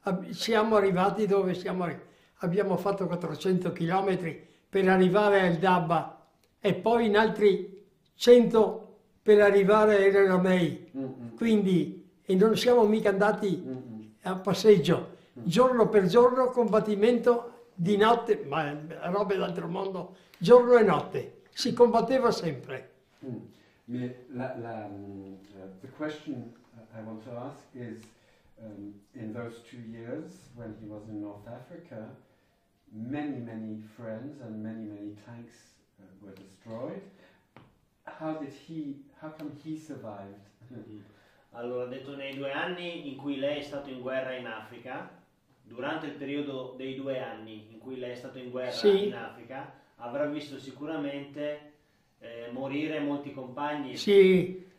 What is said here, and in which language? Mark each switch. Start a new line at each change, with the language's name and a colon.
Italian: Siamo arrivati dove siamo arrivati. Abbiamo fatto 400 km per arrivare al Daba e poi in altri 100 per arrivare a El Alamein. Quindi, e non siamo mica andati a passeggio, giorno per giorno, combattimento di notte, ma robe d'altro mondo, giorno e notte, si combatteva sempre.
English: The question I want to ask is, in those 2 years when he was in North Africa, many, many friends and many, many tanks were destroyed. How come he survived?
Italian: Allora, detto nei 2 anni in cui lei è stato in guerra in Africa, durante il periodo dei 2 anni in cui lei è stato in guerra in Sì. Africa, avrà visto sicuramente morire molti compagni. Sì.